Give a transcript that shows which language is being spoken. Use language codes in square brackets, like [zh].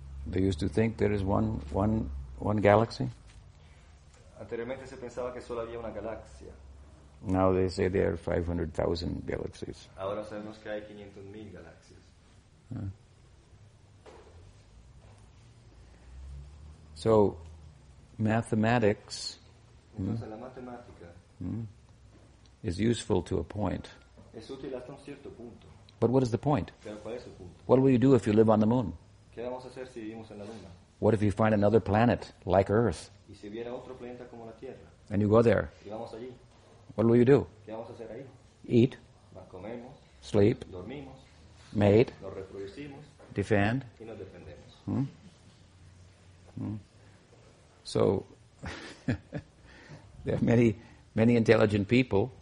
[en] they used to think there is one galaxy. [es] Anteriormente se pensaba que solo había una galaxia. [en] Now they say there are 500,000 galaxies. [es] Ahora sabemos que hay 500,000 galaxias. [en] So, mathematics. [es] Entonces la matemática [en] is useful to a point. [es] Es útil hasta un cierto punto. [en] But what is the point? [es] Pero ¿cuál es el punto? [en] What will you do if you live on the moon? [es] ¿Qué vamos a hacer si vivimos en la luna? [en] What if you find another planet like Earth? [es] ¿Y si hubiera otro planeta como la Tierra? [en] And you go there. [es] ¿Y vamos allí? [en] What will you do? [es] ¿Qué vamos a hacer ahí? [en] Eat. [es] Nos comemos. [en] Sleep. [es] Dormimos. [en] Mate. [es] Nos reproducimos. [en] Defend. [es] Y nos defendemos. [en] So, there are many, many intelligent people.